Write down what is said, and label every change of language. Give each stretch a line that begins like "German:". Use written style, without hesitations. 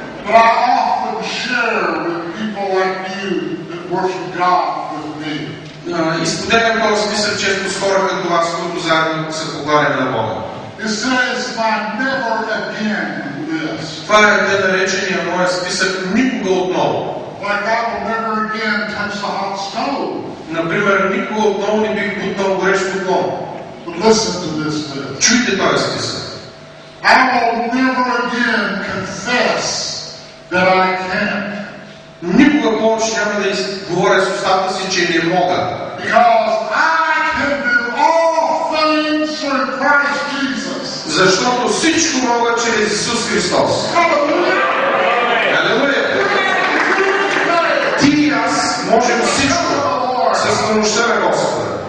English: But I often share with people like you that worship God with me.
Bulgarian: Изподелям този списък често с хора като вас, които заедно са поклонени на Бога.
English: It says my never again list.
Bulgarian: Това е така наречения моя списък никога отново.
English: Like I will never again touch the hot stove.
Bulgarian: Например, никога отново не бих бутнал горещ топлон.
English: But listen to this list.
Bulgarian: Чуйте този списък.
English: I will never again confess that I can't.
Bulgarian: Никога повече няма да говоря с устата си, че не мога.
English: Because I can do all things through Christ Jesus.
Bulgarian: Защото всичко мога чрез Исус Христос. Алелуя! Ти и аз можем всичко с помощта на Господа.